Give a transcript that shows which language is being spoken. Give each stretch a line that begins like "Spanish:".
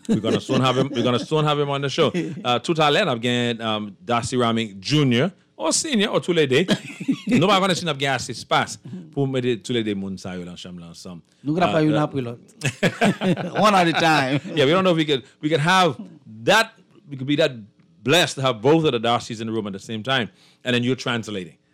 English: We're gonna soon have him on the show.
French: Tout à l'heure,
English: I'm getting Darcy Ramming Junior or Senior or
French: tous les deux. Nous allons essayer d'avoir assez d'espace pour mettre tous les deux monsieur ensemble. Nous n'aurons pas une après l'autre.
English: One at a time. Yeah, we don't know if we could have that. We could be that. Blessed to have both of the Darcy's in the room at the same time, and then you're translating.